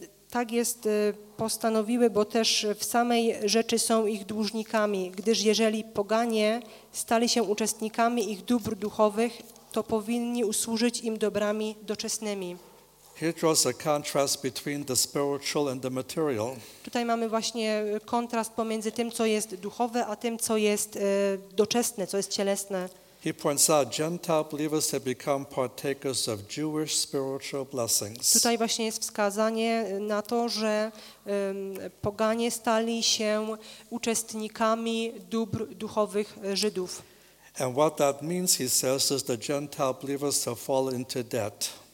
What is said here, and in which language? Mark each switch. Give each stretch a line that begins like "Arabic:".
Polish: Tak jest, postanowiły, bo też w samej rzeczy są ich dłużnikami, gdyż jeżeli poganie stali się uczestnikami ich dóbr duchowych, to powinni usłużyć im dobrami doczesnymi.
English: He draws a contrast between the spiritual and the material.
Polish: Tutaj mamy właśnie kontrast pomiędzy tym, co jest duchowe, a tym, co jest doczesne, co jest cielesne.
English: He points out Gentile believers have become partakers of Jewish spiritual blessings.
Polish: Tutaj właśnie jest wskazanie na to, że poganie stali się uczestnikami dóbr duchowych Żydów.
English: And what that means, he says, is the Gentile believers have fallen into debt.